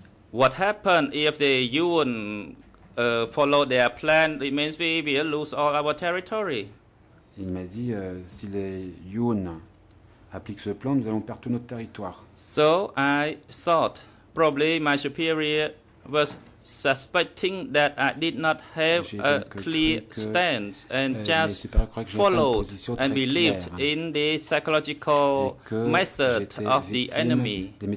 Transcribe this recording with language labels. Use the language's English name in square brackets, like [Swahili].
[English] What happened if the UN followed their plan? It means we will lose all our territory. [French] Il m'a dit si les UN appliquent ce plan, nous allons perdre tout notre territoire. [English] So I thought probably my superior was suspecting that I did not have a clear stance and just followed and believed in the psychological method of the enemy.